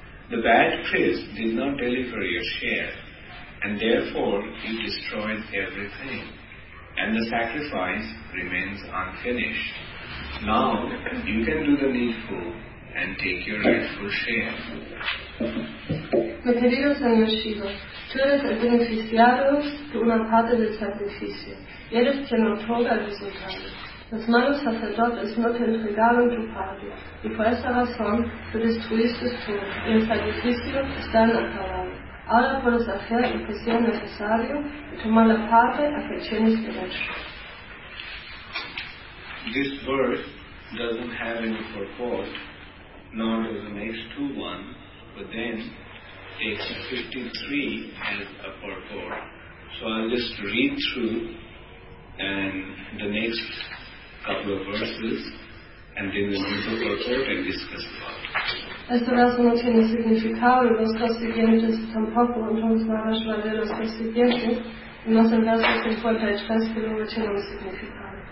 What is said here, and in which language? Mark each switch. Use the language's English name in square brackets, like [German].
[English] The bad priest did not deliver your share, and therefore you destroyed everything, and the sacrifice remains unfinished. Now you can do the needful and take your rightful share. [Spanish] Mi querido Señor Shiva, tú eres el beneficiado de una parte del sacrificio, y eres quien otorga el resultado. Los malos sacerdotes no te entregaron tu parte, y por esa razón lo destruiste tú, y el sacrificio está en acabado. Ahora puedes hacer lo que sea necesario y tomar la parte a que tienes derecho. [English] This verse doesn't have any purport, nor does the next two one, but then takes 53 as a purport. So I'll just read through and the next couple of verses, and then we'll read the purport and discuss about it. [Spanish] Este verso no tiene significado, los dos siguientes tampoco, entonces vamos a leer los dos siguientes, y no son versos que fuerte de tres, pero no tiene un significado.